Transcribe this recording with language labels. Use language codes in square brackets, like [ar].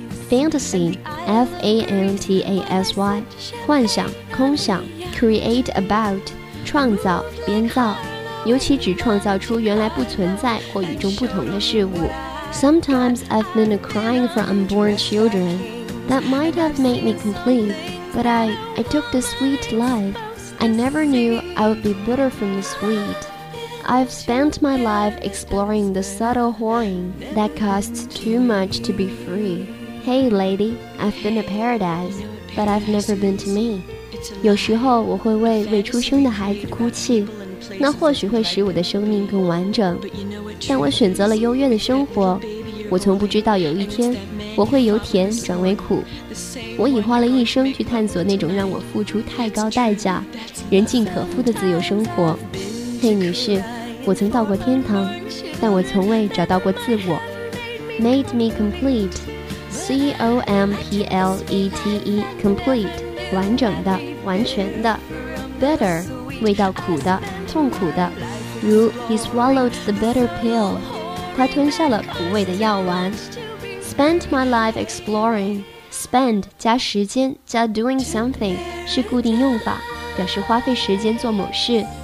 [zh] Fantasy F-A-N-T-A-S-Y 幻想、空想， [en] Create about [zh] 创造、编造，尤其只创造出原来不存在或与众不同的事物。 [en] Sometimes I've been crying for unborn children that might have made me complete, but I took the sweet life. I never knew I would be bitter from the sweet. I've spent my life exploring the subtle whoring that costs too much to be free. Hey lady, I've been a paradise, but I've never been to me. [zh] 有时候我会为未出生的孩子哭泣，那或许会使我的生命更完整，但我选择了优越的生活。我从不知道有一天我会由甜转为苦，我已花了一生去探索那种让我付出太高代价人尽可夫的自由生活。嘿女士，我曾到过天堂，但我从未找到过自我。 [en] Made me complete C-O-M-P-L-E-T-E Complete [zh] 完整的、完全的。 Bitter 味道苦的、痛苦的，如 [en] He swallowed the bitter pill [zh] 他吞下了苦味的药丸。 [en] Spent my life exploring. [zh] Spend 加时间加 doing something 是固定用法，表示花费时间做某事。